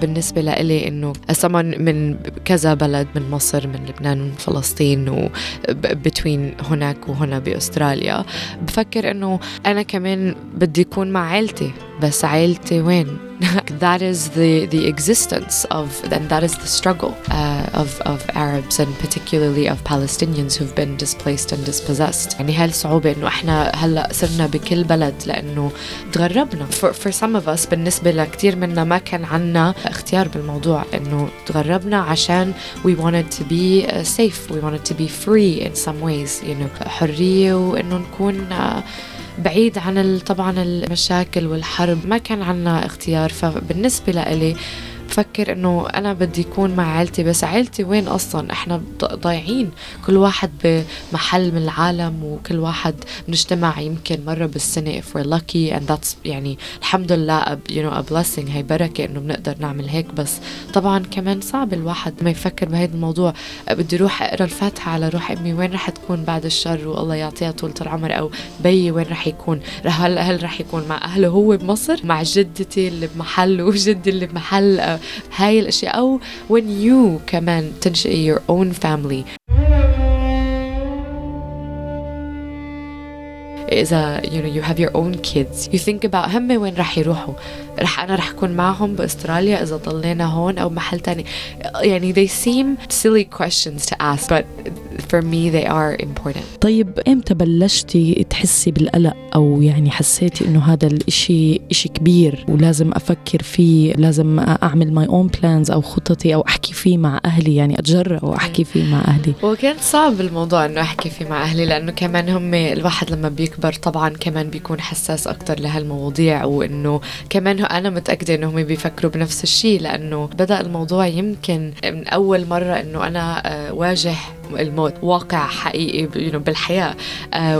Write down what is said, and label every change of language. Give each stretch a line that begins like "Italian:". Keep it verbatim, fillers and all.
Arabic: بالنسبة لإلي إنه أصلاً من كذا بلد، من مصر، من لبنان، من فلسطين، وبتوين هناك وهنا بأستراليا، بفكر إنه أنا كمان بدي أكون مع عائلتي، بس عائلتي وين؟
English: That is the, the existence of, and that is the struggle uh, of, of Arabs and particularly of Palestinians
Arabic: who've been displaced and dispossessed. يعني هالصعوبة إنه إحنا هلأ صرنا بكل بلد لأنه تغربنا.
English: For, for some of us،
Arabic: بالنسبة لكتير منا ما كان عنا اختيار بالموضوع، إنه تغربنا عشان
English: we wanted to be uh, safe, we wanted to be free in some ways. You know,
Arabic: حرية وإنه نكون uh, بعيد عن طبعا المشاكل والحرب، ما كان عنا اختيار. فبالنسبة لإلي بفكر إنه أنا بدي أكون مع عائلتي، بس عائلتي وين أصلاً؟ إحنا ضايعين، كل واحد بمحل من العالم، وكل واحد بنجتمع يمكن مرة بالسنة
English: if we're lucky, and that's
Arabic: يعني الحمد لله
English: you know a blessing،
Arabic: هي بركة إنه بنقدر نعمل هيك. بس طبعاً كمان صعب الواحد ما يفكر بهذا الموضوع. بدي روح أقرأ الفاتحة على روح أمي، وين رح تكون بعد الشر والله يعطيها طولة العمر، أو بي وين رح يكون؟ هل هل رح يكون مع أهله هو بمصر، مع جدتي اللي بمحل وجدي اللي بمحل؟ هاي الأشياء. أو
English: when you
Arabic: كمان تنشئي
English: your own family،
Arabic: إذا
English: you know you have your own kids, you think about
Arabic: هم وين رح يروحوا، رح أنا رح أكون معهم بأستراليا إذا ضلينا هون أو محل تاني.
English: يعني they seem silly questions to ask, but for me they are important.
Arabic: طيب إمتى بلشتي تحسي بالقلق، أو يعني حسيتي إنه هذا الإشي إشي كبير ولازم أفكر فيه، لازم أعمل
English: my own plans
Arabic: أو خطتي، أو أحكي فيه مع أهلي، يعني أتجرأ وأحكي فيه مع أهلي؟ وكان صعب الموضوع إنه أحكي فيه مع أهلي، لأنه كمان هم الواحد لما بيكبر طبعا كمان بيكون حساس أكتر لهالمواضيع، وإنه كمان أنا متأكدة إنهم بيفكروا بنفس الشيء، لأنه بدأ الموضوع يمكن من أول مرة إنه أنا واجه الموت واقع حقيقي بالحياة، uh,